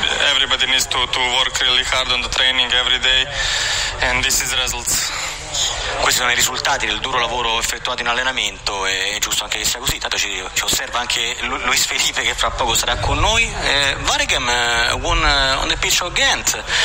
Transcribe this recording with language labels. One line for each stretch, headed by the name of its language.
English: Everybody needs to work really hard on the training every day and this is results.
Italian: Questi sono i risultati del duro lavoro effettuato in allenamento e è giusto anche che sia così, tanto ci osserva anche Luis Felipe che fra poco sarà con noi.
English: Waregem won on the pitch of Ghent.